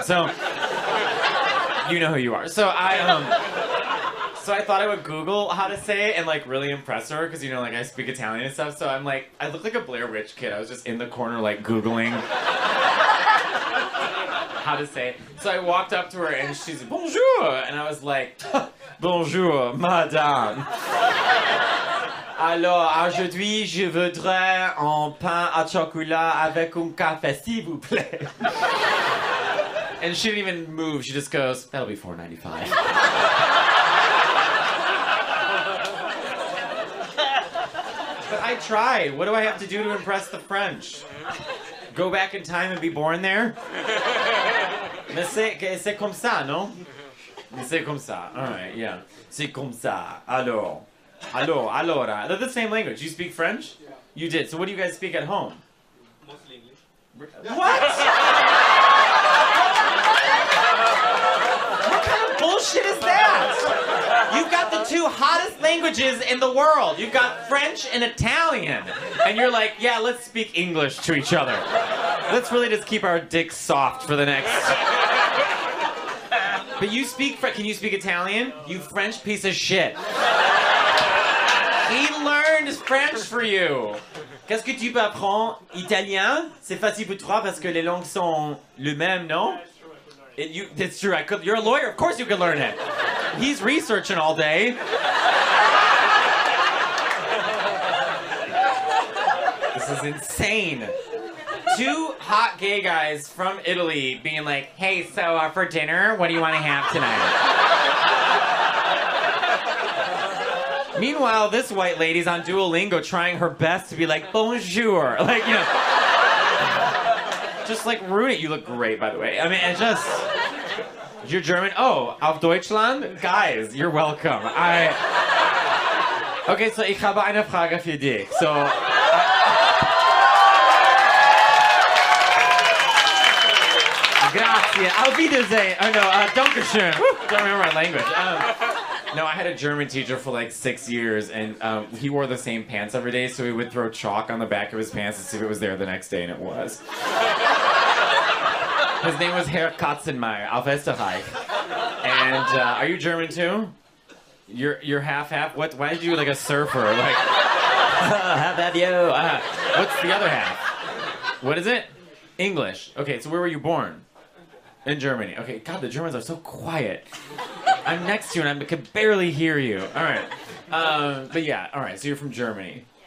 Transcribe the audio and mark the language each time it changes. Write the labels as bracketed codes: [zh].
[en] So, you know who you are. So I thought I would Google how to say it and, like, really impress her, because, you know, like, I speak Italian and stuff. So I'm like, I look like a Blair Witch kid. I was just in the corner, like, Googling how to say it. So I walked up to her, and she's like, bonjour. And I was like, bonjour, madame. [fr] Alors, aujourd'hui, je voudrais un pain à chocolat avec un café, s'il vous plaît. [en] And she didn't even move. She just goes, that'll be $4.95. I tried. What do I have to do to impress the French? Go back in time and be born there? [fr] Mais c'est comme ça, non? C'est comme ça. [en] All right, yeah. [fr] C'est comme ça. Alors. Alors, [it] allora. [en] They're the same language. You speak French? Yeah. You did. So what do you guys speak at home? Mostly English. What? What kind of bullshit is that? You've got the two hottest languages in the world. You've got French and Italian. And you're like, yeah, let's speak English to each other. Let's really just keep our dicks soft for the next. But you speak, can you speak Italian? You French piece of shit. He learned French for you. [fr] Qu'est-ce que tu peux apprendre italien? C'est facile pour toi parce que les langues sont les mêmes, non? [en] That's true, I could, you're a lawyer, of course you could learn it. He's researching all day. This is insane. Two hot gay guys from Italy being like, hey, so for dinner, what do you want to have tonight? Meanwhile, this white lady's on Duolingo trying her best to be like, bonjour. Like, you know. Just like, ruin it. You look great, by the way. I mean, it's just... You're German? Oh, [de] auf Deutschland? [en] Guys, you're welcome. Okay, so [de] ich habe eine Frage für dich. [en] So... [it] Grazie. [de] Auf Wiedersehen. [en] Oh, no. [de] Danke schön. [en] Don't remember my language. No, I had a German teacher for like 6 years, and he wore the same pants every day, so he would throw chalk on the back of his pants to see if it was there the next day, and it was. His name was Herr Katzenmeier, [de] auf Österreich. [en] And are you German too? You're half-half? What? Why did you like a surfer? Like, how about you? What's the other half? What is it? English. Okay, so where were you born? In Germany. Okay, God, the Germans are so quiet. I'm next to you and I can barely hear you. All right. But yeah, all right, so you're from Germany.